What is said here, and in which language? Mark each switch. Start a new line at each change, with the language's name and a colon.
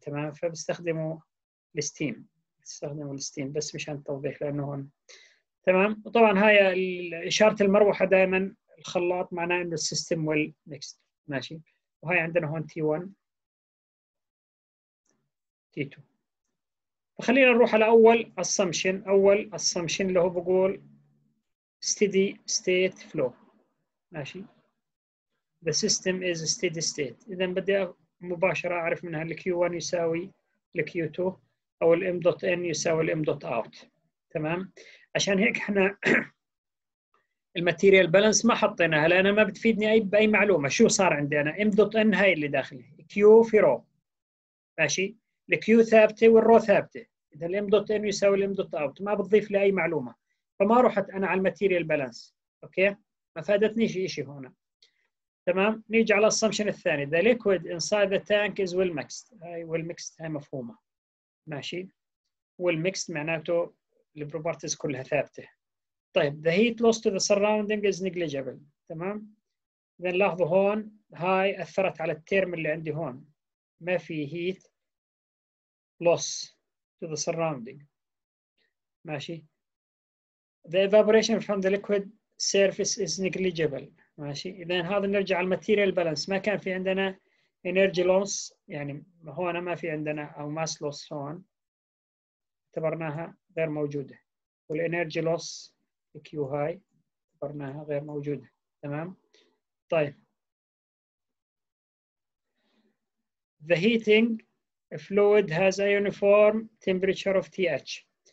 Arabic: تمام، فبيستخدموا الستيم، بيستخدموا الستيم بس مشان التوضيح لانه هون. تمام، وطبعا هاي اشارة المروحة دائما الخلاط معناه انه السيستم ويل ميكست ماشي. وهي عندنا هون تي 1 تي 2. خلينا نروح على اول assumption.
English: اول assumption
Arabic: اللي هو بقول
English: steady state flow ماشي، the system is steady state.
Arabic: اذا بدي مباشرة أعرف منها الـ Q1 يساوي الـ Q2 أو الـ M.N يساوي الـ M.Out. تمام؟ عشان هيك إحنا الماتيريال بالانس ما حطيناها لأن ما بتفيدني أي بأي معلومة. شو صار عندي أنا؟ M.N هاي اللي داخلي، Q في رو ماشي، الـ Q ثابتة والرو ثابتة، إذا الـ M.N يساوي الـ M.Out ما بتضيف لي أي معلومة، فما رحت أنا على الماتيريال بالانس. أوكي؟ ما فادتني شيء إشي هنا. تمام؟ نيجي على الاسامبشن الثاني،
English: the liquid inside the tank is well mixed.
Arabic: هاي well mixed هاي مفهومة ماشي، well mixed معناته البروبرتيز كلها ثابتة.
English: طيب the heat loss to the surrounding is negligible.
Arabic: تمام؟ إذا لاحظوا هون هاي أثرت على الترم اللي عندي هون، ما في
English: heat loss to the surrounding
Arabic: ماشي.
English: the evaporation from the liquid surface is negligible ماشي.
Arabic: إذا هذا نرجع على الماتيريال بالانس، ما كان في عندنا انرجي لوس يعني هون، ما في عندنا او ماس لوس هون اعتبرناها غير موجوده، والانرجي لوس كيو هاي اعتبرناها غير موجوده.
English: تمام؟ طيب the heating fluid has a uniform temperature of TH.